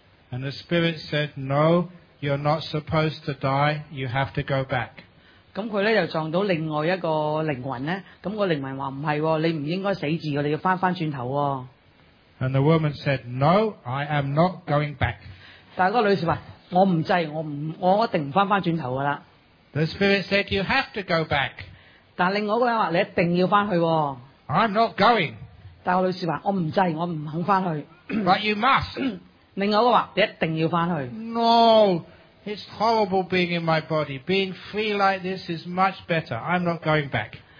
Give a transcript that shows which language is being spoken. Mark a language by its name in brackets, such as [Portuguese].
[English] And the spirit said, no, you're not supposed to die, you have to go back. [Chinese] 咁佢咧就撞到另外一個靈魂咧，咁個靈魂話唔係，你唔應該死字嘅，你要翻翻轉頭。 [English] And the woman said, no, I am not going back. [Chinese] 但係嗰個女士話：我唔制，我一定唔翻翻轉頭噶啦。 [English] The spirit said, you have to go back. [Chinese] 但另外嗰個人話：你一定要翻去。 [English] I'm not going. [Chinese] 但個女士話：我唔制，我唔肯翻去。 [English] But you must. [Chinese] 另外嗰個話：你一定要翻去。 [English] No. It's horrible being in my body. Being free like this is much better. I'm not going back.